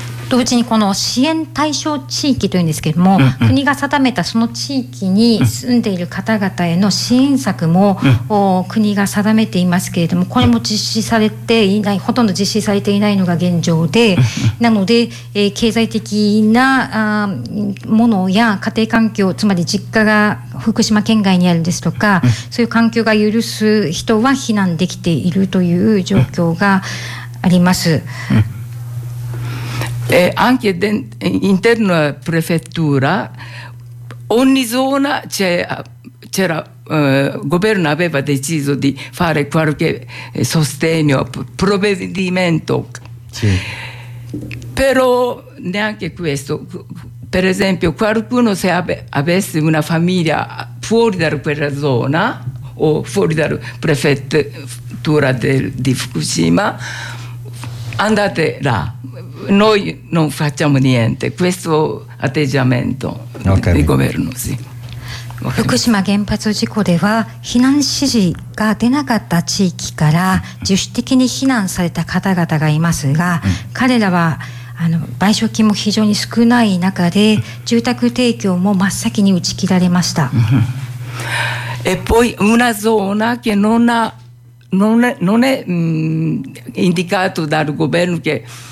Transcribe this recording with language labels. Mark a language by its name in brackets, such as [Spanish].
[Japanese] 同時にこの支援対象地域というんですけれども、うんうん、国が定めたその地域に住んでいる方々への支援策も、うん、国が定めていますけれども、これも実施されていない、ほとんど実施されていないのが現状で、なので、経済的なものや家庭環境、つまり実家が福島県外にあるですとか、そういう環境が許す人は避難できているという状況があります。 [Italian] anche interno a prefettura ogni zona c'era governo aveva deciso di fare qualche sostegno provvedimento. Però neanche questo. Per esempio, qualcuno se avesse una famiglia fuori da quella zona o fuori dalla prefettura di Fukushima, andate là. Noi non facciamo niente. Questo atteggiamento di governo, sì. [Japanese] 福島原発事故では避難指示が出なかった地域から自主的に避難された方々がいますが、彼らは賠償金も非常に少ない中で住宅提供も真っ先に打ち切られました。 [Italian] e poi una zona che non è indicato dal governo che